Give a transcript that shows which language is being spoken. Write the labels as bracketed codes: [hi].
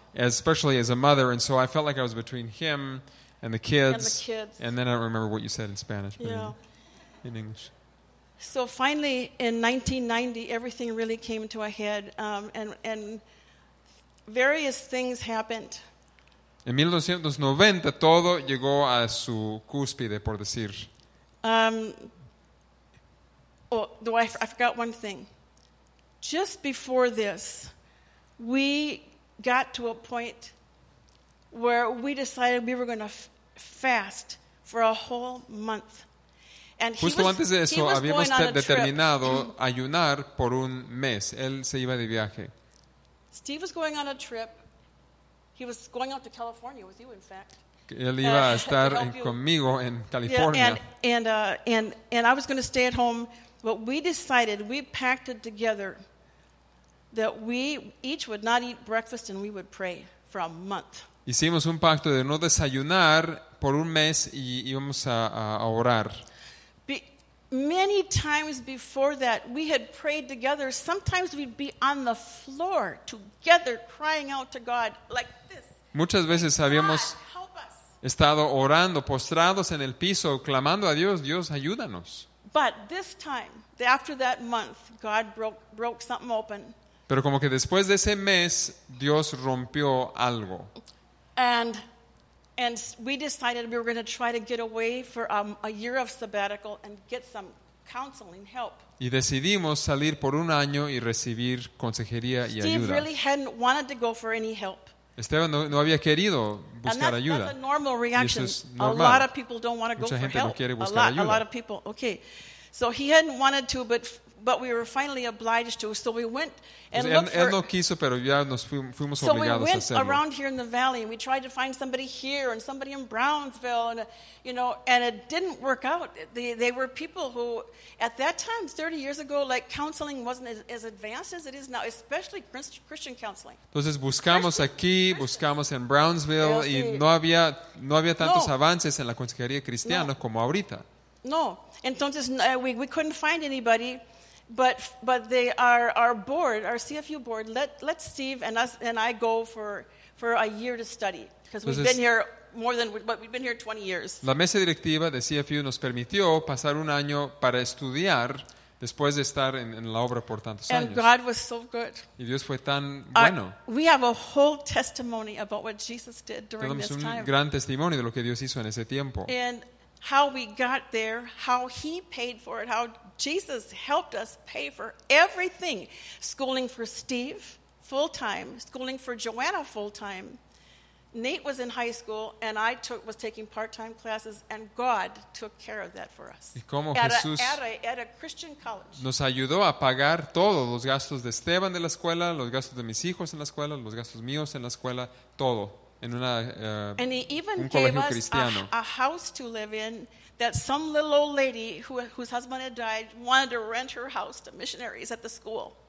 [en] Especially as a mother. And so I felt like I was between him and the kids. And the kids. And then I don't remember what you said in Spanish, but yeah. In English. So finally, in 1990, everything really came to a head, and various things happened. [es] En 1990, todo llegó a su cúspide, por decir. [en] I forgot one thing. Just before this, we got to a point where we decided we were going to fast for a whole month. [es] And justo antes de eso, habíamos determinado ayunar por un mes. Él se iba de viaje. [en] Steve was going on a trip. He was going out to California with you, in fact. [es] Él iba a estar conmigo en California. [en] And I was going to stay at home. But we decided, we packed it together, that we each would not eat breakfast and we would pray for a month. [es] Hicimos un pacto de no desayunar por un mes y íbamos a orar. [en] Many times before that, we had prayed together. Sometimes we'd be on the floor together crying out to God like this. [es] Muchas veces habíamos estado orando, postrados en el piso, clamando a Dios, Dios, ayúdanos. [en] But this time, after that month, God broke something open. [es] Pero como que después de ese mes, Dios rompió algo. [en] And we decided we were going to try to get away for a year of sabbatical and get some counseling help. [es] Y decidimos salir por un año y recibir consejería y ayuda. [en] Steve really hadn't wanted to go for any help. [es] Esteban no había querido buscar ayuda. [en] That's a normal reaction. A lot of people don't want to go for help. [es] Mucha gente no quiere buscar ayuda. [en] A lot of people. Okay. So he hadn't wanted to, but we were finally obliged to. So we went and looked for. [es] Él no quiso, pero ya nos fuimos obligados a hacerlo. [en] So we went around here in the valley, and we tried to find somebody here and somebody in Brownsville, and you know, and it didn't work out. They were people who, at that time, 30 years ago, like counseling wasn't as advanced as it is now, especially Christian counseling. Entonces buscamos aquí, buscamos en Brownsville, y no había tantos avances en la consejería cristiana como ahorita. [es] No, entonces [en] we couldn't find anybody. But they are our board, our CFU board. Let Steve and us and I go for a year to study because we've been here more than but we've been here 20 years. [es] La mesa directiva de CFU nos permitió pasar un año para estudiar después de estar en la obra por tantos [en] and [es] años. [en] And God was so good. [es] Y Dios fue tan bueno. [en] We have a whole testimony about what Jesus did during [es] Tenemos [en] this time. [es] Tenemos un gran testimonio de lo que Dios hizo en ese tiempo. [en] And how we got there, how he paid for it, how Jesus helped us pay for everything. Schooling for Steve full-time, schooling for Joanna full-time. Nate was in high school, and I was taking part-time classes, and God took care of that for us. [es] Y como [en] at a Christian college. [es] Nos ayudó a pagar todos los gastos de Esteban de la escuela, los gastos de mis hijos en la escuela, los gastos míos en la escuela, todo. [en] And he even gave us a house to live in that some little old lady whose husband had died wanted to rent her house to missionaries at the school.